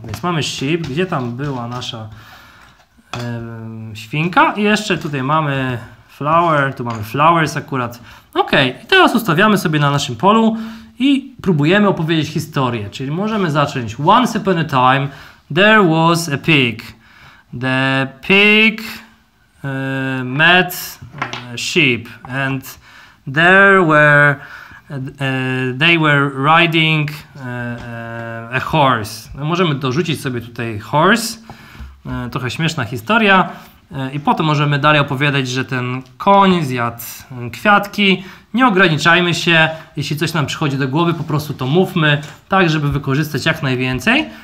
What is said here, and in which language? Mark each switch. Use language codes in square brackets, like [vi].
[pl] Więc mamy sheep, gdzie tam była nasza świnka. I jeszcze tutaj mamy flower, tu mamy flowers akurat. Ok, i teraz ustawiamy sobie na naszym polu i próbujemy opowiedzieć historię, czyli możemy zacząć. [en] Once upon a time, there was a pig. The pig met sheep and there were they were riding a horse. [pl] No, możemy dorzucić sobie tutaj horse. Trochę śmieszna historia. I potem możemy dalej opowiadać, że ten koń zjadł kwiatki. Nie ograniczajmy się, jeśli coś nam przychodzi do głowy, po prostu to mówmy, tak żeby wykorzystać jak najwięcej.